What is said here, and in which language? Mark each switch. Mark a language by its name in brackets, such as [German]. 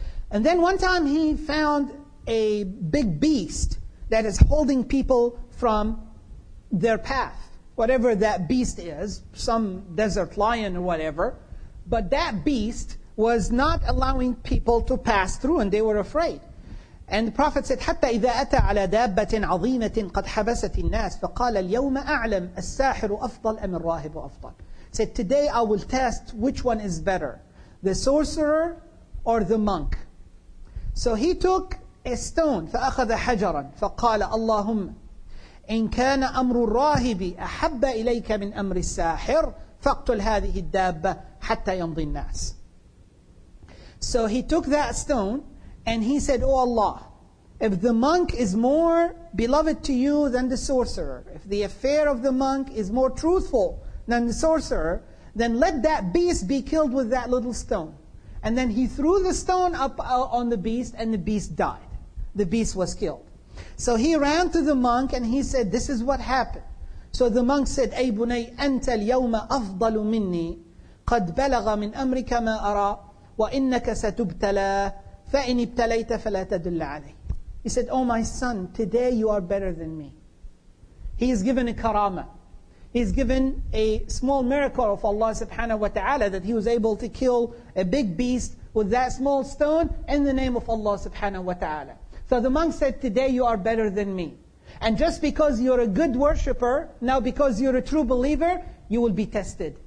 [English] And then one time he found a big beast that is holding people from their path, whatever that beast is, some desert lion or whatever, but that beast was not allowing people to pass through, and they were afraid. And the Prophet said, [Arabic] حَتَّى إِذَا أَتَى عَلَى دَابَّةٍ عَظِيمَةٍ قَدْ حَبَسَتِ النَّاسِ فَقَالَ الْيَوْمَ أَعْلَمْ السَّاحِرُ أَفْضَلْ أَمِ الرَّاهِبُ أَفْضَلْ. [English] Said, today I will test which one is better, the sorcerer or the monk. So he took a stone, [Arabic] فَأَخَذَ حَجَرًا فَقَالَ اللَّهُمَّ إِنْ كَانَ أَمْرُ الرَّاهِبِ أَحَبَّ إِلَيْكَ مِنْ أَمْرِ السَّاحِرِ فَاقْتُلْ هَذِهِ الدَّابَّةِ حَتَّى يَمْضِي النَّاسِ. [English] So he took that stone, and he said, O Allah, if the monk is more beloved to you than the sorcerer, if the affair of the monk is more truthful than the sorcerer, then let that beast be killed with that little stone. And then he threw the stone up on the beast, and the beast died. The beast was killed. So he ran to the monk, and he said, this is what happened. So the monk said, [Arabic] أي بني أنت اليوم أفضل مني قد بلغ من أمرك ما أرى وإنك ستبتلى فَإِنْ إِبْتَلَيْتَ فَلَا تَدُلَّ عَلَيْهِ. [English] He said, oh my son, today you are better than me. He is given a karama. He is given a small miracle of Allah subhanahu wa ta'ala that he was able to kill a big beast with that small stone in the name of Allah subhanahu wa ta'ala. So the monk said, today you are better than me. And just because you're a good worshipper, now because you're a true believer, you will be tested.